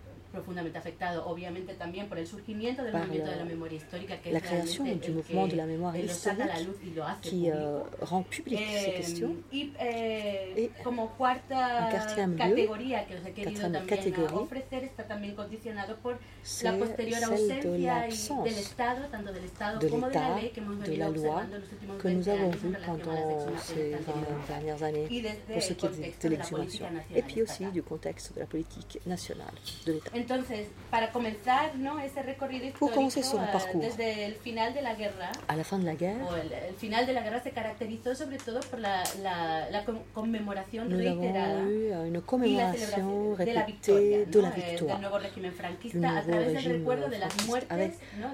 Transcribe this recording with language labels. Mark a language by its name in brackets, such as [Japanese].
[Spanish] profondamente afectado obviamente también por el surgimiento del movimiento de la memoria histórica que [French] la creación du mouvement de la mémoire historique qui rend public ces questions [Spanish] et como cuarta categoría que os he querido también ofrecer está también condicionado por la posterior ausencia del Estado tanto del Estado como de la ley que hemos venido observando en los últimos 20 años en relación a las [French] dernières années pour ce qui est de l'exhumation et puis aussi du contexte de la politique nationale de l'État. [Spanish] Entonces, para comenzar, ¿no? Ese recorrido histórico desde el final de la guerra. [French] A la fin de la guerra. [Spanish] El final de la guerra se caracterizó sobre todo por la conmemoración reiterada una conmemoración y la celebración de la victoria, ¿no? Del nuevo régimen franquista a través del recuerdo de las muertes, ¿no?